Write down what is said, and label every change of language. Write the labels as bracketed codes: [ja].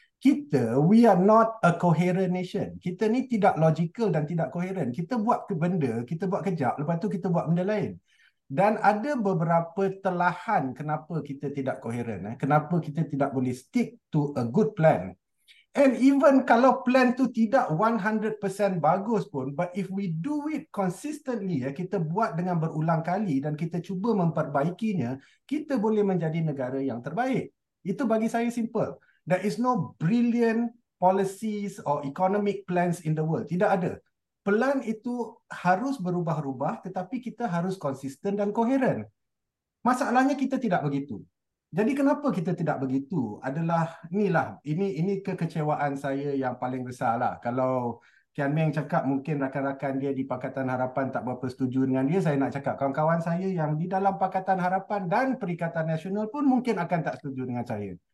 [en] Kita, we are not a coherent nation. [ms] Kita ni tidak logical dan tidak coherent. Kita buat benda, kita buat kejap, lepas tu kita buat benda lain. Dan ada beberapa telahan kenapa kita tidak koheren. Kenapa kita tidak boleh [en] stick to a good plan. And even [ms] kalau plan tu tidak 100% bagus pun, [en] but if we do it consistently, [ms] kita buat dengan berulang kali dan kita cuba memperbaikinya, kita boleh menjadi negara yang terbaik. Itu bagi saya simple. [en] There is no brilliant policies or economic plans in the world. [ms] Tidak ada. Pelan itu harus berubah-ubah, tetapi kita harus konsisten dan koheren. Masalahnya kita tidak begitu. Jadi kenapa kita tidak begitu? Adalah inilah, ini kekecewaan saya yang paling besar lah. Kalau Kian Meng cakap mungkin rakan-rakan dia di Pakatan Harapan tak berapa setuju dengan dia, saya nak cakap kawan-kawan saya yang di dalam Pakatan Harapan dan Perikatan Nasional pun mungkin akan tak setuju dengan saya.